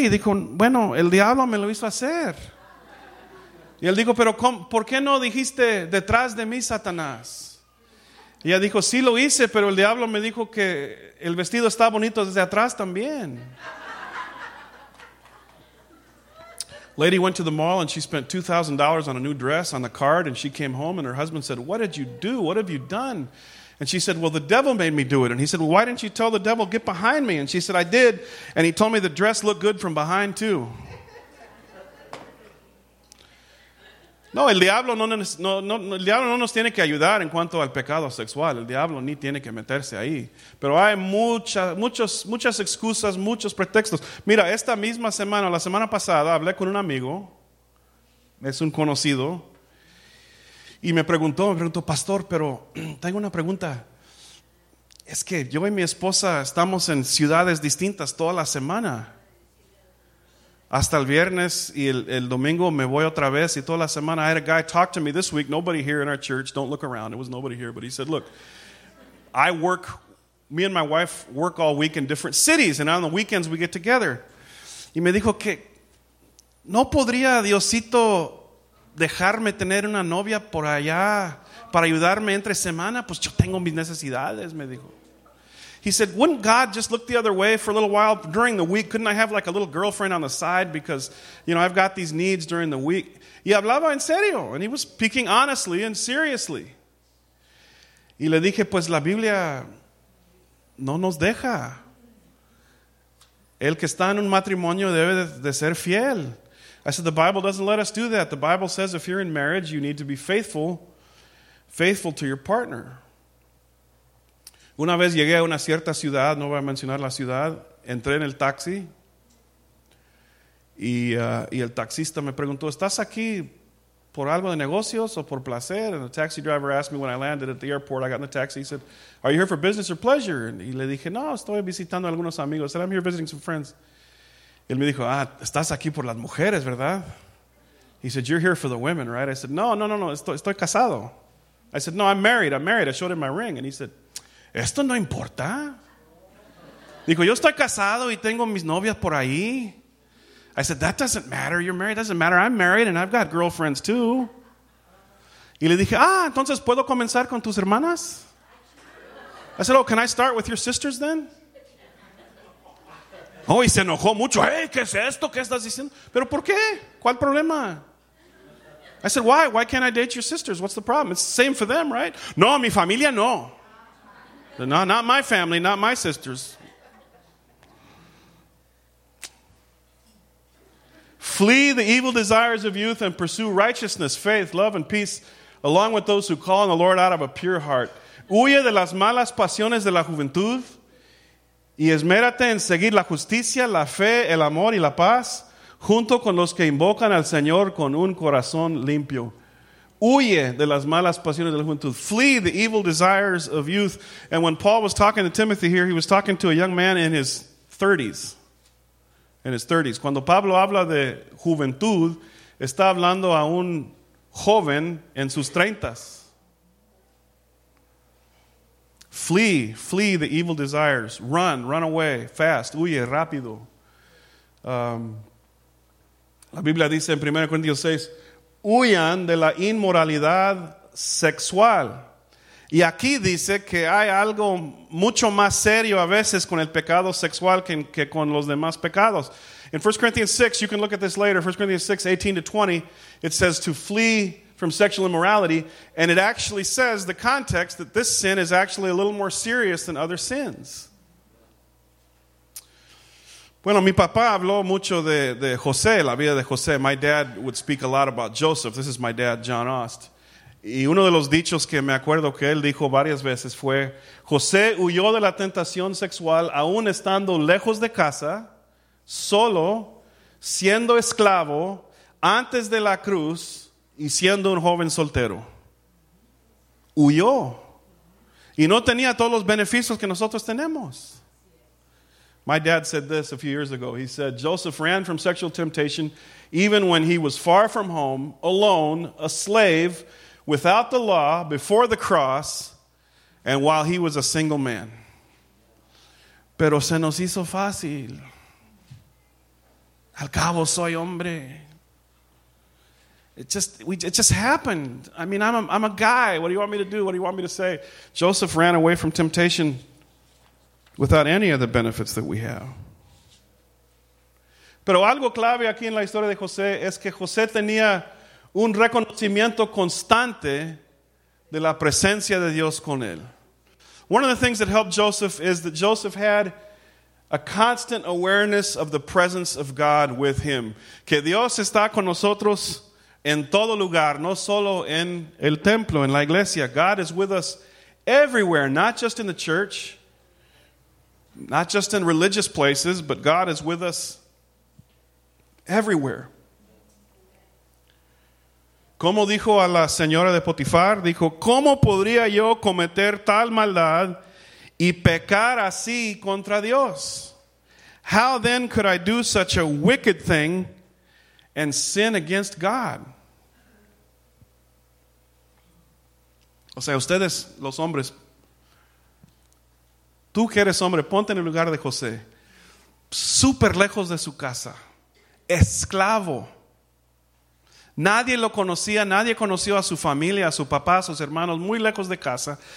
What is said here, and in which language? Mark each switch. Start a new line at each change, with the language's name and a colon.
Spanish: Y dijo, bueno, el diablo me lo hizo hacer. Y él dijo, pero ¿por qué no dijiste detrás de mí, Satanás? Y ella dijo, sí lo hice, pero el diablo me dijo que el vestido está bonito desde atrás también.
English: Lady went to the mall and she spent $2,000 on a new dress on the card and she came home and her husband said, what did you do? What have you done? And she said, well, the devil made me do it. And he said, well, why didn't you tell the devil, get behind me? And she said, I did. And he told me the dress looked good from behind too.
Spanish: No, el diablo no nos tiene que ayudar en cuanto al pecado sexual. El diablo ni tiene que meterse ahí. Pero hay muchas excusas, muchos pretextos. Mira, esta misma semana, la semana pasada, hablé con un amigo. Es un conocido. Y me preguntó, pastor, pero tengo una pregunta. Es que yo y mi esposa estamos en ciudades distintas toda la semana. Hasta el viernes y el domingo me voy otra vez y toda la semana.
English: I had a guy talk to me this week. Nobody here in our church. Don't look around. It was nobody here. But he said, look, I work, me and my wife work all week in different cities. And on the weekends we get together.
Spanish: Y me dijo que no podría Diosito dejarme tener una novia por allá para ayudarme entre semana. Pues yo tengo mis necesidades, me dijo. He said, wouldn't God just look the other way for a little while during the week? Couldn't I have like a little girlfriend on the side because, you know, I've got these needs during the week? Y hablaba en serio.
English: And he was speaking honestly and seriously.
Spanish: Y le dije, pues la Biblia no nos deja. El que está en un matrimonio debe de ser fiel.
English: I said, the Bible doesn't let us do that. The Bible says if you're in marriage, you need to be faithful to your partner.
Spanish: Una vez llegué a una cierta ciudad, no voy a mencionar la ciudad, entré en el taxi y el taxista me preguntó, ¿estás aquí por algo de negocios o por placer?
English: And the taxi driver asked me when I landed at the airport, I got in the taxi, he said, are you here for business or pleasure?
Spanish: Y le dije, no, estoy visitando a algunos amigos.
English: I said, I'm here visiting some friends.
Spanish: Y él me dijo, ah, estás aquí por las mujeres, ¿verdad?
English: He said, you're here for the women, right? I said,
Spanish: no, estoy casado.
English: I said, no, I'm married. I showed him my ring. And he said,
Spanish: ¿esto no importa? Dijo, yo estoy casado y tengo mis novias por ahí.
English: I said, that doesn't matter. You're married. Doesn't matter. I'm married and I've got girlfriends too.
Spanish: Y le dije, ah, entonces puedo comenzar con tus hermanas?
English: I said, oh, can I start with your sisters then?
Spanish: Oh, y se enojó mucho. Hey, ¿qué es esto? ¿Qué estás diciendo? ¿Pero por qué? ¿Cuál problema?
English: I said, why? Why can't I date your sisters? What's the problem? It's the same for them, right?
Spanish: No, mi familia no.
English: No, not my family, not my sisters. Flee the evil desires of youth and pursue righteousness, faith, love, and peace, along with those who call on the Lord out of a pure heart.
Spanish: Huye de las malas pasiones de la juventud y esmérate en seguir la justicia, la fe, el amor y la paz, junto con los que invocan al Señor con un corazón limpio. Huye de las malas pasiones de la juventud.
English: Flee the evil desires of youth. And when Paul was talking to Timothy here, he was talking to a young man in his 30s.
Spanish: Cuando Pablo habla de juventud, está hablando a un joven en sus 30s.
English: Flee the evil desires. Run away fast.
Spanish: Huye rápido. La Biblia dice en 1 Corintios 6, huyan de la inmoralidad sexual. Y aquí dice que hay algo mucho más serio a veces con el pecado sexual que con los demás pecados.
English: In 1 Corinthians 6, you can look at this later, 1 Corinthians 6, 18 to 20, it says to flee from sexual immorality, and it actually says the context that this sin is actually a little more serious than other sins.
Spanish: Bueno, mi papá habló mucho de José, la vida de José.
English: My dad would speak a lot about Joseph. This is my dad, John Ost.
Spanish: Y uno de los dichos que me acuerdo que él dijo varias veces fue, José huyó de la tentación sexual aún estando lejos de casa, solo, siendo esclavo, antes de la cruz y siendo un joven soltero. Huyó. Y no tenía todos los beneficios que nosotros tenemos.
English: My dad said this a few years ago. He said, Joseph ran from sexual temptation even when he was far from home, alone, a slave, without the law, before the cross, and while he was a single man.
Spanish: Pero se nos hizo fácil. Al cabo soy hombre.
English: It just happened. I mean, I'm a guy. What do you want me to do? What do you want me to say? Joseph ran away from temptation without any of the benefits that we have.
Spanish: Pero algo clave aquí en la historia de José es que José tenía un reconocimiento constante de la presencia de Dios con él.
English: One of the things that helped Joseph is that Joseph had a constant awareness of the presence of God with him.
Spanish: Que Dios está con nosotros en todo lugar, no solo en el templo, en la iglesia.
English: God is with us everywhere, not just in the church, not just in religious places, but God is with us everywhere.
Spanish: Como dijo a la señora de Potifar, dijo, ¿cómo podría yo cometer tal maldad y pecar así contra Dios?
English: How then could I do such a wicked thing and sin against God?
Spanish: O sea, ustedes, los hombres, tú que eres hombre, ponte en el lugar de José. Súper lejos de su casa. Esclavo. Nadie lo conocía, nadie conoció a su familia, a su papá, a sus hermanos, muy lejos de casa.